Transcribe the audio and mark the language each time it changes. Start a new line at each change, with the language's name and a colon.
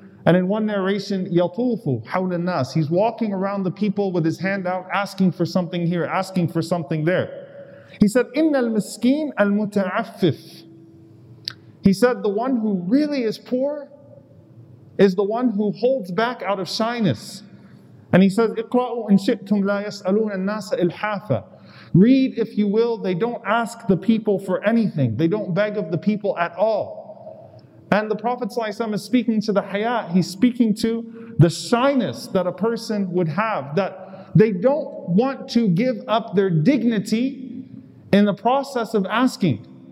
English: And in one narration,
Arabic: يَطُوفُ حَوْلَ النَّاسِ.
English: He's walking around the people with his hand out, asking for something here, asking for something there. He said,
Arabic: إِنَّ الْمِسْكِينَ الْمُتَعَفِّفِ.
English: He said, the one who really is poor is the one who holds back out of shyness. And he says,
Arabic: اقرأوا إن شئتم لا يسألون الناس إلحافا.
English: Read if you will, they don't ask the people for anything. They don't beg of the people at all. And the Prophet ﷺ is speaking to the hayat. He's speaking to the shyness that a person would have, that they don't want to give up their dignity in the process of asking.